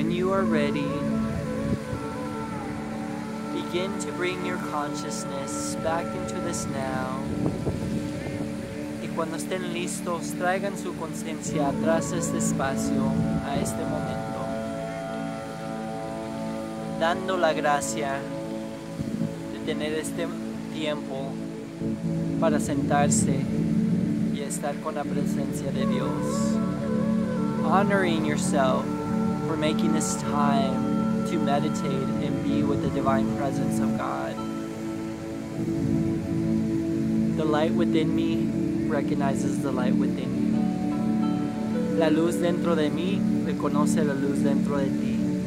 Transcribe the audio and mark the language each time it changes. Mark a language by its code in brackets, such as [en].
[en] are ready, begin to bring your consciousness back into this now. [es] Y cuando estén listos, traigan su conciencia atrás este espacio, a este momento. Dando la gracia de tener este tiempo para sentarse y estar con la presencia de Dios. [en] Honoring yourself for making this time to meditate and be with the divine presence of God. The light within me recognizes the light within you. [es] La luz dentro de mí reconoce la luz dentro de ti.